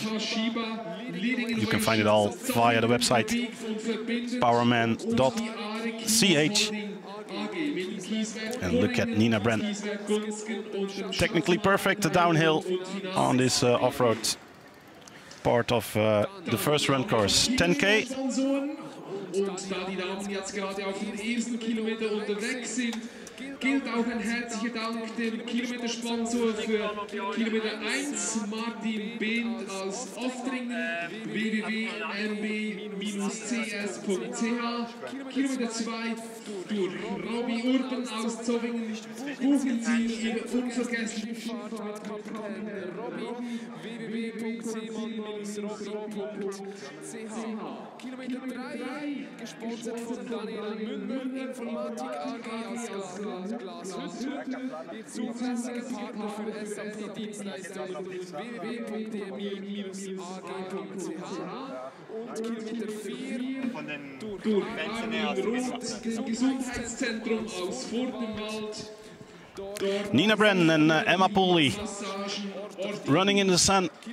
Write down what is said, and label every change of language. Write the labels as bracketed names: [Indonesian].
[English] You can find it all via the website powerman.ch and look at Nina Brenn. Technically perfect, the downhill on this off-road part of the first run course, 10K. [German] Und da die Damen jetzt gerade auf den ersten Kilometer unterwegs sind, gilt auch ein herzlicher Dank dem Kilometersponsor für Kilometer 1, Martin Behnd aus Oftringen, www.rb-cs.ch. Kilometer 2 durch Robbie Urban aus Zofingen. Buchen Sie Ihre unvergessliche Skifahrt mit Kapitän Robbie, www.cs-robbie.ch. Kilometer 3, gesponsert von Daniel Münden, Informatik AG aus Glashütte, zuverlässige Partner für SAP-Dienstleistungen, www.dmi-ag.ch. Und Kilometer 4, durch Armin Rund, Gesundheitszentrum aus Furtenwald. [English] Nina Brenn and Emma Pooley running in the sun.